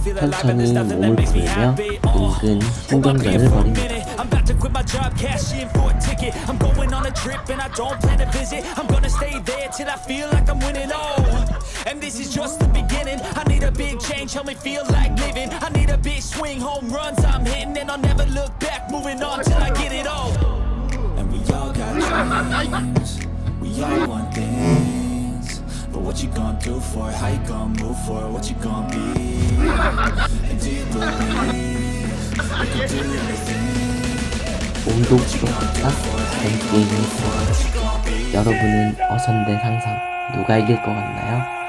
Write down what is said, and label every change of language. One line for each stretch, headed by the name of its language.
Korean: 천천히 몸을 돌리며 은근 신경전을 벌입니다.
English: I'm about to quit my job, cash in for a ticket. I'm going on a trip and I don't plan to visit. I'm gonna stay there till I feel like I'm winning all. And this is just the beginning. I need a big change, help me feel like living. I need a big swing, home runs I'm hitting. And I'll never look back, moving on till I get it all. And we all got dreams, we all want things. But what you gonna do for it, how you gonna move for it, what you gonna be? And do you believe you can do anything?
Korean: 운동으로 갖다 게임을 들어가요. 여러분은 어선대 상상 누가 이길 것 같나요?